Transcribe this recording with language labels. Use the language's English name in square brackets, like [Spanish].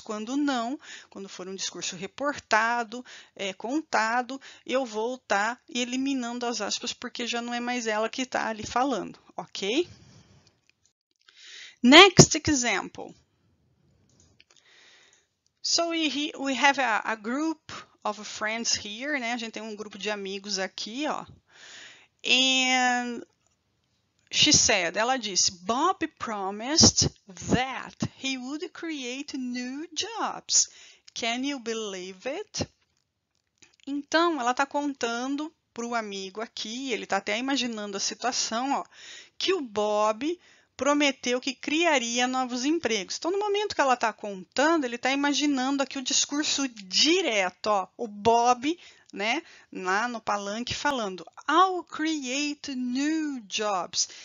[Portuguese] Quando não, quando for um discurso reportado, contado, eu vou estar eliminando as aspas, porque já não é mais ela que está ali falando, ok? [English] Next example. So we have a group of friends here, [Portuguese] né? A gente tem um grupo de amigos aqui, ó. [English] And she said, [Portuguese] ela disse, [English] Bob promised that he would create new jobs. Can you believe it? [Portuguese] Então, ela tá contando para o amigo aqui, ele tá até imaginando a situação, ó, que o Bob prometeu que criaria novos empregos. Então, no momento que ela está contando, ele está imaginando aqui o discurso direto, ó, o Bob, né, lá no palanque falando: [English] I'll create new jobs.